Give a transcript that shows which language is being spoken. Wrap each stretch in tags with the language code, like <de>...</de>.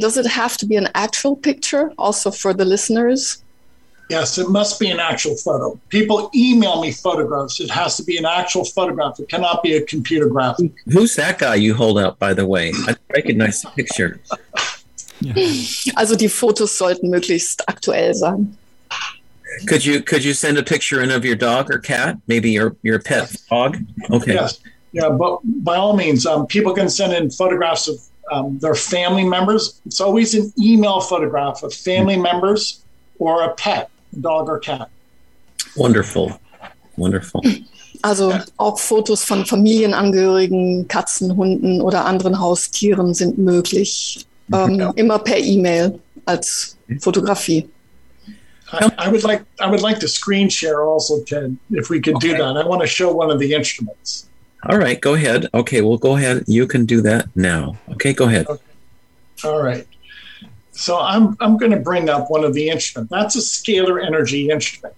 <en>Does it have to be an actual picture also for the listeners? Yes, it must be an actual photo. People email me photographs. It has to be an actual photograph. It cannot be a computer graphic. Who's that guy you hold out, by the way? I recognize the picture. Yeah.</en> <de>Also die Fotos sollten möglichst aktuell sein.</de> <en>Could you send a picture in of your dog or cat? Maybe your pet dog? Okay. Yes. Yeah, but by all means, people can send in photographs of their family members. It's always an email photograph of family members or a pet, dog or cat. Wonderful. Wonderful.</en> <de>Also auch Fotos von Familienangehörigen, Katzen, Hunden oder anderen Haustieren sind möglich. Immer per E-Mail als Fotografie.</de> <en>I would like to screen share also, Ted, if we could do that. I want to show one of the instruments. All right, go ahead. Okay, well, go ahead. You can do that now. Okay, go ahead. Okay. All right. So I'm going to bring up one of the instruments. That's a scalar energy instrument.</en>